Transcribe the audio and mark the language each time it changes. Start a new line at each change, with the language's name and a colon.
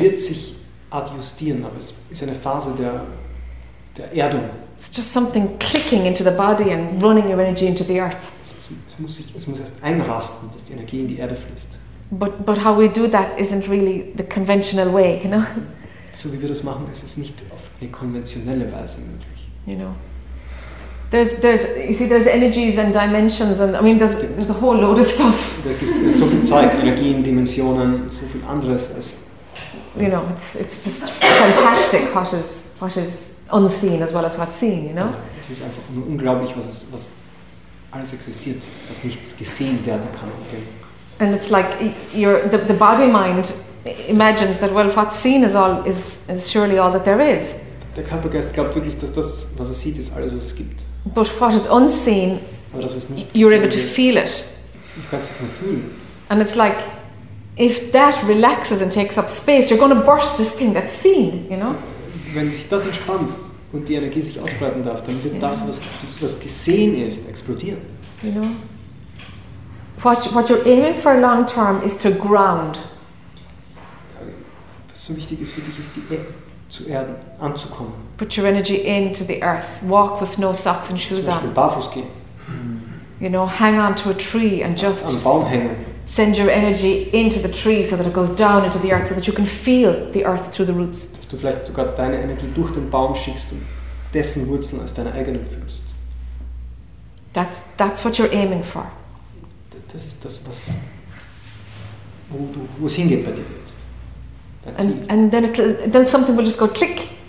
German: Es wird sich adjustieren, aber es ist eine Phase der Erdung.
English: It's just something clicking into the body and running your energy into the earth.
German: Es muss erst einrasten, dass die Energie in die Erde fließt.
English: But how we do that isn't really the conventional way, you know.
German: So wie wir das machen, ist es nicht auf eine konventionelle Weise möglich.
English: you know. There's you see, there's energies and dimensions, and I mean, there's a whole load of stuff.
German: There gibt es so viel Zeit, Energien, Dimensionen, so viel anderes als.
English: You know, it's just fantastic what is unseen as well as what's seen, you know.
German: Also, es ist einfach nur unglaublich, was alles existiert, was nichts gesehen werden kann.
English: Okay? And it's like the body mind imagines that, well, what's seen is surely all that there is.
German: Der Körpergeist glaubt wirklich, dass das, was er sieht, ist alles, was es gibt.
English: But what is unseen,
German: aber das, was nicht
English: you're able to feel it.
German: Du kannst es nur fühlen.
English: And it's like, if that relaxes and takes up space, you're going to burst this thing that's seen, you know?
German: Wenn sich das entspannt und die Energie sich ausbreiten darf, dann wird das, was gesehen ist, explodieren.
English: You know? What you're aiming for long term is to ground.
German: Was so wichtig ist für dich, ist die Erde. Zu Erden, anzukommen.
English: Put your energy into the earth. Walk with no socks and shoes on.
German: Barfuß gehen.
English: You know, hang on to a tree and just
German: an Baum hängen.
English: Send your energy into the tree so that it goes down into the earth, so that you can feel the earth through the roots.
German: Dass du vielleicht sogar deine Energie durch den Baum schickst und dessen Wurzeln als deine eigenen fühlst.
English: That's what you're aiming for.
German: Das ist das, was wo es hingeht bei dir jetzt.
English: And then something will just go click.